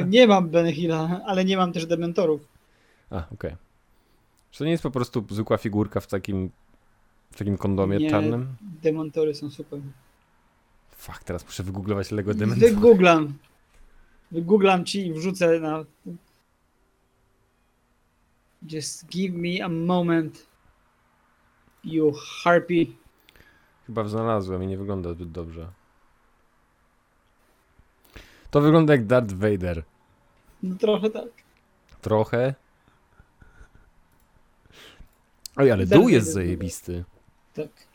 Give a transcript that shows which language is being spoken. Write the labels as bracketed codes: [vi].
[pl] No, nie mam Benihila, ale nie mam też dementorów. A, okej. Okay. Czy to nie jest po prostu zwykła figurka w takim kondomie nie, czarnym? Nie, dementory są super. Fuck, teraz muszę wygooglować Lego dementory. Wygooglam. Wygooglam ci i wrzucę na... [en] Just give me a moment, you harpy. [pl] Chyba znalazłem i nie wygląda zbyt dobrze. To wygląda jak Darth Vader. No trochę tak. Trochę? Oj, ale Darth dół jest Vader zajebisty. Tak.